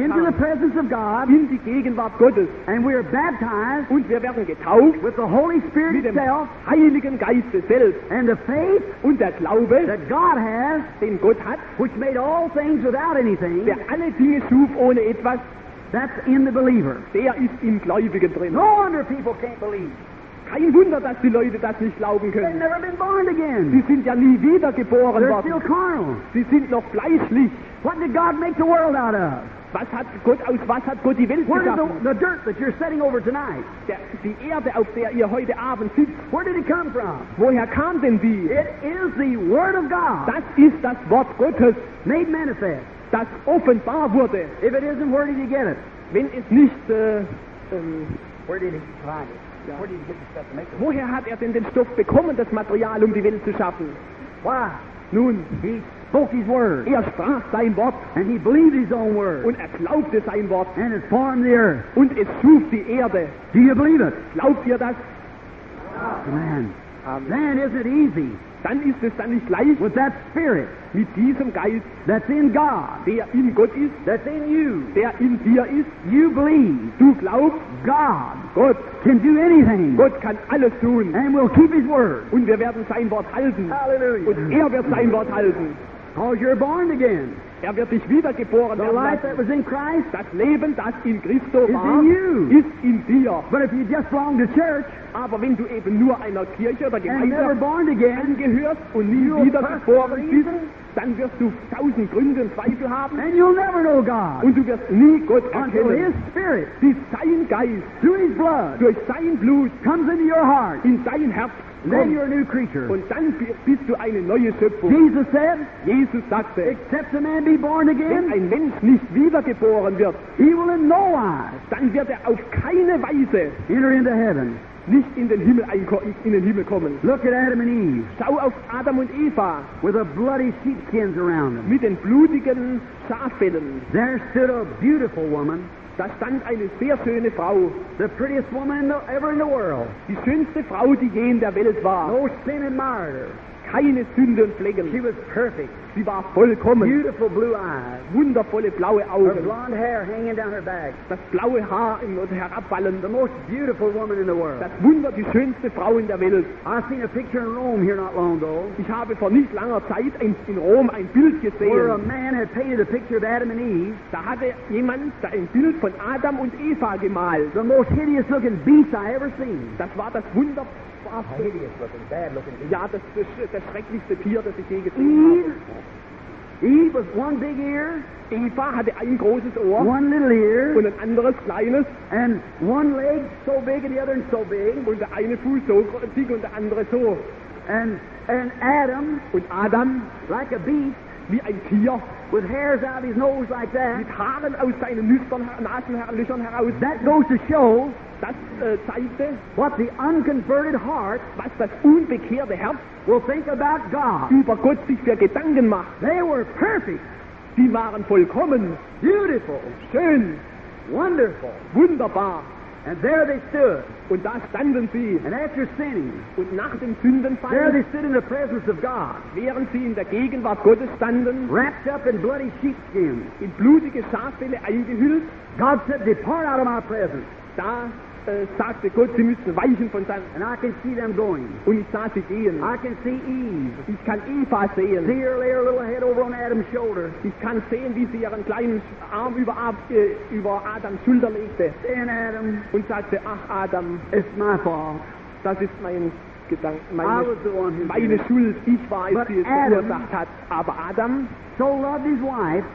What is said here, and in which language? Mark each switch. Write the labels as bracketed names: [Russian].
[English] into the presence of God, [German] in die Gegenwart Gottes, [English] and we are baptized, [German] und wir werden getauft, [English] with the Holy Spirit [German] mit dem [English] itself, [German] Heiligen Geist selbst, [English] and the faith, [German] und der Glaube, [English] that God has, [German] den Gott hat, [English] which made all things without anything, [German] der alle Dinge schuf ohne etwas, [English] that's in the believer. [German] Der ist im Gläubigen drin. [English] No wonder people can't believe. [German] Kein Wunder, dass die Leute das nicht glauben können. [English] They've never been born again. [German] Sie sind ja nie wiedergeboren worden. [English] They're still carnal. [German] Sie sind noch fleischlich. [English] What did God make the world out of? [German] Was hat Gott, aus was hat Gott die Welt [English] where [German] geschaffen? [English] Where is the dirt that you're setting over tonight? [German] Die Erde, auf der ihr heute Abend sitzt. [English] Where did it come from? [German] Woher kam denn die? [English] It is the Word of God. [German] Das ist das Wort Gottes. [English] Made manifest. [German] Das offenbar wurde. [English] If it isn't, where did you get it? [German] Wenn es nicht, [English] where did he find it? Yeah. Where did he get the stuff to make it? [German] Woher hat denn den Stoff bekommen, das Material, die Welt zu schaffen? [English] Why? [German] Nun, [English] he spoke his word. [German] Er sprach sein Wort. [English] And he believed his own word. [German] Und er glaubte sein Wort. [English] And it formed the earth. [German] Und es schuf die Erde. [English] Do you believe it? [German] Glaubt ihr das? [English] Amen. Then is it easy? [German] Dann ist es dann nicht leicht. [English] With that spirit, [German] mit diesem Geist, [English] that's in God, [German] der in Gott ist, [English] that's in you, [German] der in dir ist, [English] you believe, [German] du glaubst, [English] God, [German] Gott, [English] can do anything, [German] Gott kann alles tun, [English] and will keep His word, [German] und wir werden sein Wort halten, [English] hallelujah, [German] und er wird sein Wort halten, [English] cause you're born again, [German] er wird dich wiedergeboren werden, [English] the life that was in Christ, [German] das Leben, das in Christo [English] is [German] war, [English] in you, [German] ist in dir, [English] but if you just belong to church. [German] Aber wenn du eben nur einer Kirche oder Gemeinde angehörst und nie wiedergeboren bist, dann wirst du tausend Gründe und Zweifel haben. [English] And you'll never know God. [German] Und du wirst nie Gott erkennen. [English] Until His Spirit, [German] durch sein Geist, [English] through His blood, [German] durch sein Blut, [English] comes into your heart, [German] in dein Herz kommt. [English] Then you're a new creature. [German] Und dann bist du eine neue Schöpfung. [English] Jesus said, [German] Jesus sagte, [English] except a man be born again, [German] wenn ein Mensch nicht wiedergeboren wird, [English] he will in no wise, [German] dann wird auf keine Weise [English] enter into heaven. [German] Nicht in den Himmel kommen. [English] Look at Adam and Eve. [German] Schau auf Adam und Eva. [English] With the bloody sheepskins around them. [German] Mit den blutigen Schaffellen. [English] There stood a beautiful woman. [German] Da stand eine sehr schöne Frau. [English] The prettiest woman ever in the world. [German] Die schönste Frau, die je in der Welt war. [English] No sin and martyr. [German] Keine Sünde und Flecken. [English] She was perfect. [German] Sie war vollkommen. [English] Beautiful blue eyes. [German] Wundervolle blaue Augen. [English] Her blonde hair hanging down her back. [German] Das blaue Haar in und herabfallen. [English] The most beautiful woman in the world. [German] Das Wunder, die schönste Frau in der Welt. [English] I seen a picture in Rome here not long ago. [German] Ich habe vor nicht langer Zeit in Rom ein Bild gesehen. [English] Where a man had painted a picture of Adam and Eve. [German] Da hatte jemand da ein Bild von Adam und Eva gemalt. [English] The most hideous looking beast I ever seen. [German] Das war das Wunder. [English] Hideous looking, bad looking. [German] Ja, das schrecklichste Tier, das ich je gesehen habe. [English] Eve was one big ear. [German] Eva hatte ein großes Ohr. [English] One little ear. [German] Und ein anderes kleines. [English] And one leg so big and the other so big. [German] Und der eine Fuß so dick und der andere so. [English] And Adam. [German] Und Adam. [English] Like a beast. [German] Wie ein Tier. [English] With hairs out of his nose like that. [German] Mit Haaren aus seinen Nasenlöchern heraus. [English] That goes to show. [German] Das zeigte, [English] what the unconverted heart, [German] was das unbekehrte Herz, [English] will think about God. [German] Über Gott sich für Gedanken macht. [English] They were perfect. [German] Sie waren vollkommen. [English] Beautiful. [German] Schön. [English] Wonderful. [German] Wunderbar. [English] And there they stood. [German] Und da standen sie. [English] And after sinning. [German] Und nach dem Sündenfall. [English] There they stood in the presence of God. [German] Während sie in der Gegenwart Gottes standen. [English] Wrapped up in bloody sheepskin. [German] In blutige Schaffelle eingehüllt. [English] God said, depart out of my presence. [German] Da sagte Gott, sie müssen weichen von seinem. [English] And I can see them going. [German] Und ich sah sie gehen. [English] I can see Eve. [German] Ich kann Eva sehen. [English] See her lay her little head over on Adam's shoulder. [German] Ich kann sehen, wie sie ihren kleinen Arm über Adams Schulter legte. [English] And Adam. [German] Und sagte, ach Adam. [English] It's my fault. [German] Das ist mein Gedanke. [English] I was the one who [German] meine Schuld. Ich war es, die es verursacht hat. Aber Adam. [English] So loved his wife,